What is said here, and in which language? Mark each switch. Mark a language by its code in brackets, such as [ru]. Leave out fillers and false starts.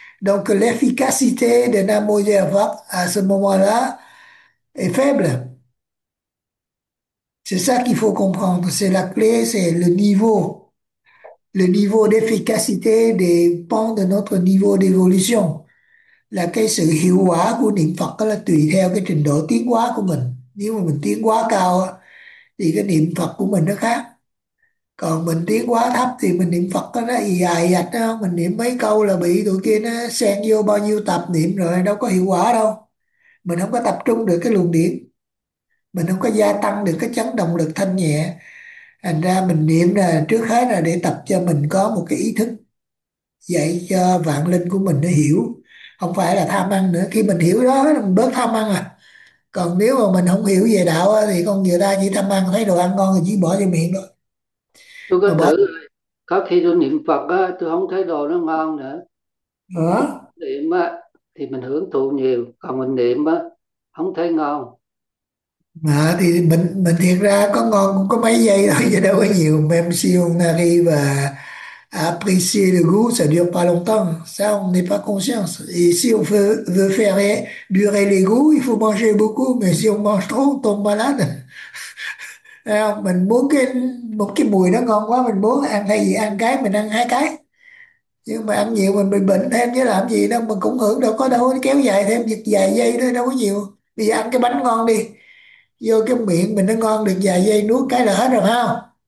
[fr] Donc, l'efficacité de Namo Yerva à ce moment-là est faible. C'est ça qu'il faut comprendre. C'est la clé, c'est le niveau. Le niveau d'efficacité dépend de notre niveau d'évolution. [vi] Là, cái sự hiệu quả của niệm Phật đó là tùy theo cái trình độ tiến hóa của mình. Nếu mà mình tiến hóa cao thì cái niệm Phật của mình nó khác. Còn mình tiến hóa thấp thì mình niệm Phật đó, nó dài dạch đó. Mình niệm mấy câu là bị tụi kia nó xen vô bao nhiêu tập niệm rồi, đâu có hiệu quả đâu. Mình không có tập trung được cái luồng điển. Mình không có gia tăng được cái chấn động lực thanh nhẹ. Thành ra mình niệm là trước hết là để tập cho mình có một cái ý thức dạy cho vạn linh của mình nó hiểu, không phải là tham ăn nữa. Khi mình hiểu đó mình bớt tham ăn à. Còn nếu mà mình không hiểu về đạo thì con người ta chỉ tham ăn, thấy đồ ăn ngon thì chỉ bỏ vô miệng thôi. Tôi Mà có bỏ thử, có khi tôi niệm Phật á, tôi không thấy đồ nó ngon nữa. Niệm đó. á thì mình hưởng thụ nhiều, còn mình niệm á không thấy ngon. À, thì mình thiệt ra có ngon cũng có mấy giây thôi chứ đâu có nhiều. [fr] Même si on arrive à apprécier le goût, ça dure pas longtemps. Ça, on n'est pas conscience. Et si on veut faire durer les goûts, il faut manger beaucoup. Mais si on mange trop, on tombe malade. [vi] À, mình muốn một cái mùi nó ngon quá, mình muốn ăn hay gì, ăn cái, mình ăn hai cái. Nhưng mà ăn nhiều mình bị bệnh thêm chứ làm gì đâu, mình cũng hưởng đâu có đâu, nó kéo dài thêm vài giây thôi, đâu có nhiều. Bây giờ ăn cái bánh ngon đi, vô cái miệng mình nó ngon được vài giây, nuốt cái là hết rồi không?